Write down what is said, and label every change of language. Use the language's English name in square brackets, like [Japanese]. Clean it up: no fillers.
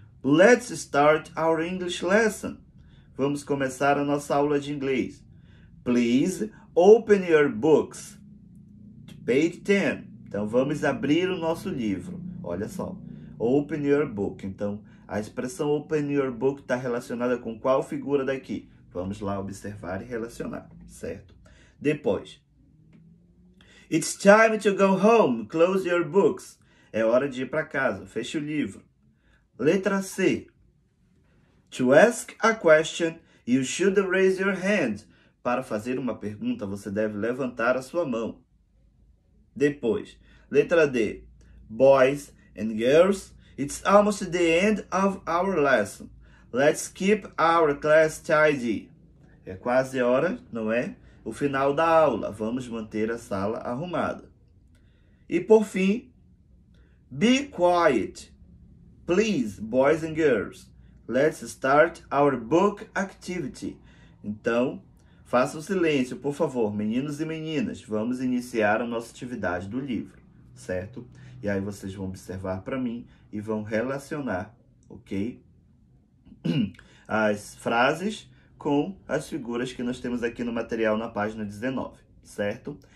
[English] Let's start our English lesson. [Portuguese] Vamos começar a nossa aula de inglês. [English] Please open your books to page 10. [Portuguese] Então vamos abrir o nosso livro. Olha só. [English] Open your book. [Portuguese] Então, a expressão [English] open your book [Portuguese] está relacionada com qual figura daqui? Vamos lá observar e relacionar, certo? [English] Depois. It's time to go home. Close your books. [Portuguese] É hora de ir para casa. Feche o livro. Letra C. [English] To ask a question, you should raise your hand. [Portuguese] Para fazer uma pergunta, você deve levantar a sua mão. Depois. Letra D. [English] Boys and girls, it's almost the end of our lesson. Let's keep our class tidy. [Portuguese] É quase hora, não é? O final da aula. Vamos manter a sala arrumada. E por fim, [English] be quiet, please, boys and girls. Let's start our book activity. [Portuguese] Então, faça o silêncio, por favor, meninos e meninas. Vamos iniciar a nossa atividade do livro, certo? E aí vocês vão observar para mim e vão relacionar, ok? As frases com as figuras que nós temos aqui no material na página 19, certo?